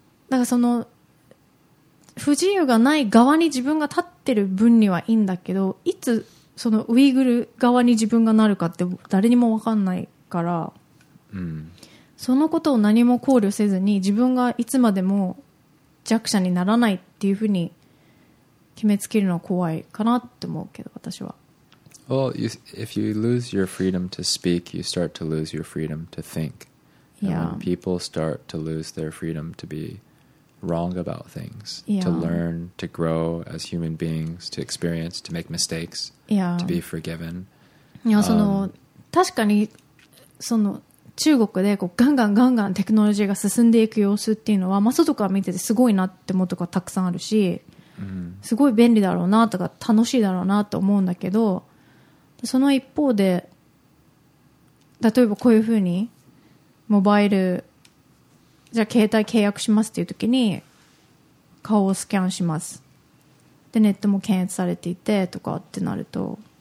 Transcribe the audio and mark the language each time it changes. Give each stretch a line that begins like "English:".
Japanese: だからその不自由がない側に自分が立ってる分にはいいんだけど、いつそのウイグル側に自分がなるかって誰にも分かんないから、そのことを何も考慮せずに、自分がいつまでも弱者にならないっていうふうに決めつけるのは怖いかなって思うけど、私は。
English: Well, if you lose your freedom to speak, you start to lose your freedom to think. Yeah. And when people start to lose their freedom to bebe wrong about things, to learn, to grow as human beings, to experience, to make mistakes, to be forgiven. Yeah,
Japanese: その確かにその中国でこうガンガンガンガンテクノロジーが進んでいく様子っていうのは、まあ、外から見ててすごいなって思うとかたくさんあるし、すごい便利だろうなとか楽しいだろうなと思うんだけど、その一方で例えばこういうふうにモバイル、じゃあ携帯契約しますっていう時に顔をスキャンします、でネットも検閲されていてとかってなると、